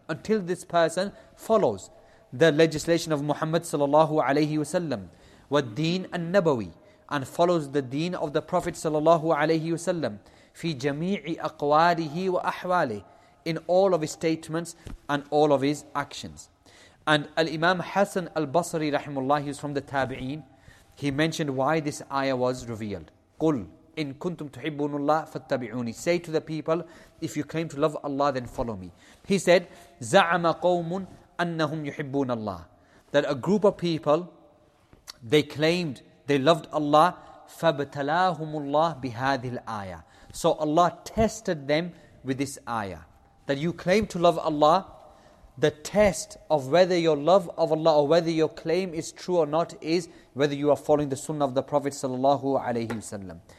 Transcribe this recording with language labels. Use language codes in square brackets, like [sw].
[en] Until this person follows the legislation of Muhammad sallallahu alayhi wasallam, [ar] والدين النبوي, [en] and follows the deen of the Prophet sallallahu alayhi wasallam, [ar] في جميع أقواله وأحواله, [en] in all of his statements and all of his actions. And Al-Imam Hassan Al-Basri rahimullah, he is from the Tabi'een, he mentioned why this ayah was revealed. [ar] قُلْ إِن كُنْتُمْ تُحِبُّونُ اللَّهِ فَاتَّبِعُونِي. [en] Say to the people, if you claim to love Allah, then follow me. He said, [ar] زَعَمَ قَوْمٌ أَنَّهُمْ يُحِبُّونَ اللَّهِ. [en] That a group of people, they claimed they loved Allah. [ar] فَبْتَلَاهُمُ اللَّهُ بِهَذِهِ الْآيَةِ. [en] So Allah tested them with this ayah. That you claim to love Allah, the test of whether your love of Allah or whether your claim is true or not is whether you are following the sunnah of the Prophet sallallahu alayhi wasallam.